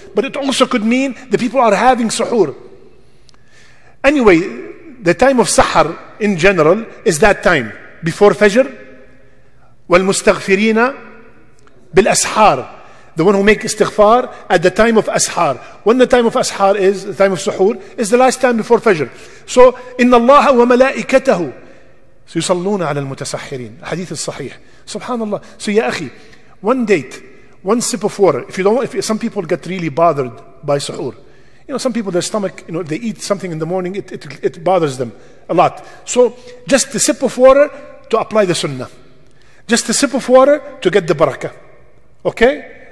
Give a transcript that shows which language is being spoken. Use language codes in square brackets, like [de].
[en] But it also could mean the people are having suhoor. Anyway, the time of sahar in general is that time. Before Fajr, [ar] وَالْمُسْتَغْفِرِينَ بِالْأَسْحَارِ. [en] The one who make istighfar at the time of ashar. When the time of ashar is, the time of suhoor, is the last time before fajr. [ar] So, إِنَّ اللَّهَ وَمَلَائِكَتَهُ سَيُصَلُّونَ عَلَى الْمُتَسَحِّرِينَ [en] Hadith is sahih. [ar] Subhanallah. [en] So, [ar] ya akhi, [en] one date, one sip of water. If you don't, if some people get really bothered by suhoor. You know, some people, their stomach, you know, they eat something in the morning, it bothers them a lot. So, just a sip of water to apply the sunnah. Just a sip of water to get the barakah. Okay?